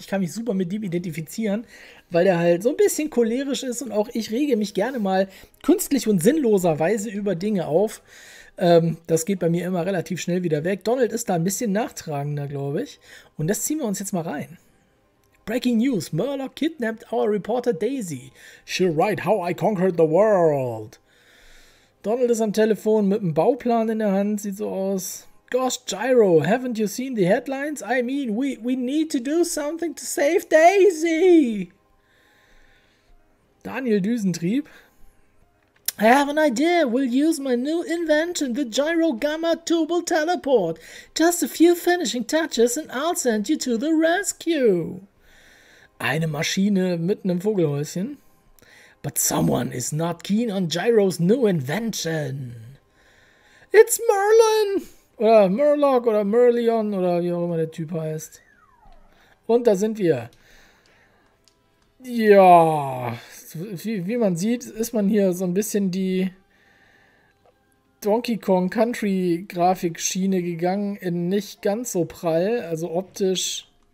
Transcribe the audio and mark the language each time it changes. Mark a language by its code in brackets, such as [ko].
[de] Ich kann mich super mit ihm identifizieren, weil der halt so ein bisschen cholerisch ist und auch ich rege mich gerne mal künstlich und sinnloserweise über Dinge auf. Das geht bei mir immer relativ schnell wieder weg. Donald ist da ein bisschen nachtragender, glaube ich. Und das ziehen wir uns jetzt mal rein. [en] Breaking News: Murlock kidnapped our reporter Daisy. She'll write how I conquered the world. [de] Donald ist am Telefon mit einem Bauplan in der Hand. Sieht so aus. [en] Gosh, Gyro, haven't you seen the headlines? I mean, we need to do something to save Daisy. Daniel Düsentrieb. I have an idea. We'll use my new invention, the Gyro Gamma Tubal Teleport. Just a few finishing touches and I'll send you to the rescue. [de] Eine Maschine mitten im Vogelhäuschen. [en] But someone is not keen on Gyro's new invention. It's Merlin! [de] Oder Murloc oder Merlion oder wie auch immer der Typ heißt. Und da sind wir. Ja. Wie man sieht, ist man hier so ein bisschen die Donkey Kong Country Grafikschiene gegangen, in nicht ganz so prall, also optisch.